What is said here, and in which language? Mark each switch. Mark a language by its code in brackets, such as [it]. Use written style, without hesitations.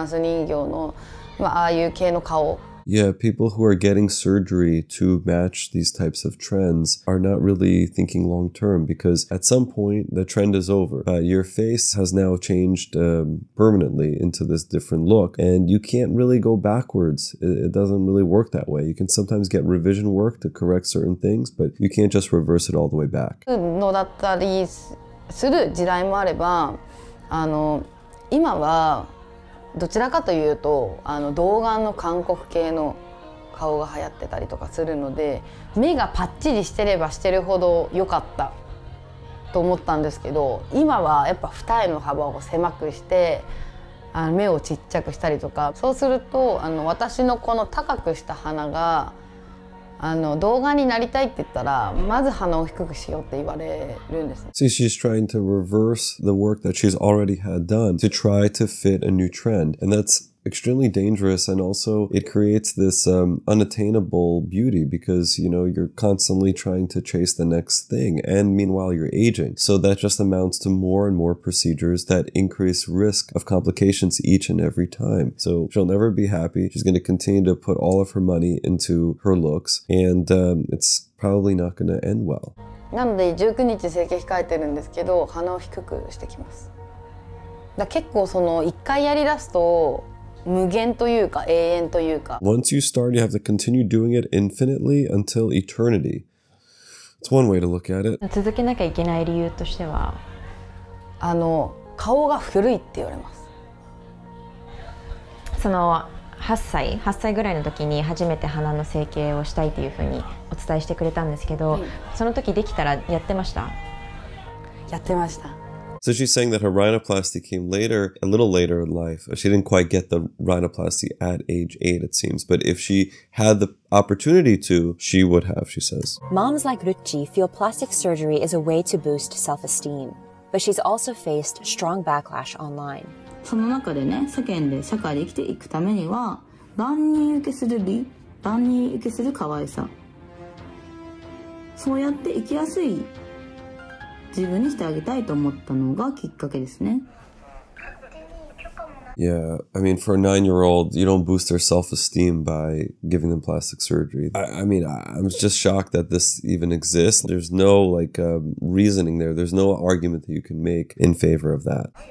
[ja] あの、憧れな人とかはいます。こういう人の顔になりたいとか。そうですね。その時その時の流行りの顔ってあるじゃないですか。じゃあそのハーフ系のまあヨーロッパのフランス人形のまあああいう系の顔。 [en] Yeah, people who are getting surgery to match these types of trends are not really thinking long term because at some point the trend is over. Your face has now changed permanently into this different look and you can't really go backwards. It doesn't really work that way. You can sometimes get revision work to correct certain things, but you can't just reverse it all the way back. [ja] のだったりする時代もあれば、あの、今はどちらかというと童顔の韓国系の顔が流行ってたりとかするので、目がパッチリしてればしてるほど良かったと思ったんですけど、今はやっぱ二重の幅を狭くして目をちっちゃくしたりとか、そうすると私のこの高くした鼻が動画になりたいって言ったらまず鼻を低くしようって言われるんです。 [en] See, she's trying to reverse the work that she's already had done to try to fit a new trend, and that'sextremely dangerous, and also it creates this unattainable beauty because, you know, you're constantly trying to chase the next thing, and meanwhile you're aging. So that just amounts to more and more procedures that increase risk of complications each and every time. So she'll never be happy. She's going to continue to put all of her money into her looks, and it's probably not going to end well. [ja] なので19日整形控えてるんですけど、鼻を低くしてきます。だ結構その一回やりだすと無限というか永遠というか。 [en] Once you start, you have to continue doing it infinitely until eternity. It's one way to look at it. [ja] 続けなきゃいけない理由としては、顔が古いって言われます。その8歳ぐらいの時に初めて鼻の整形をしたいというふうにお伝えしてくれたんですけど、その時できたらやってました。やってました。 [en] So she's saying that her rhinoplasty came later, a little later in life. She didn't quite get the rhinoplasty at age 8, it seems. But if she had the opportunity to, she would have, she says. Moms like Ruchi feel plastic surgery is a way to boost self-esteem. But she's also faced strong backlash online. [ja] その中でね、世間で社会で生きていくためには、万人受けする美、万人受けする可愛さ。そうやって生きやすい。自分にしてあげたいと思ったのがきっかけですね。 [en] Yeah, I mean, for a 9-year-old, you don't boost their self-esteem by giving them plastic surgery. I'm just shocked that this even exists. There's no, reasoning there. There's no argument that you can make in favor of that.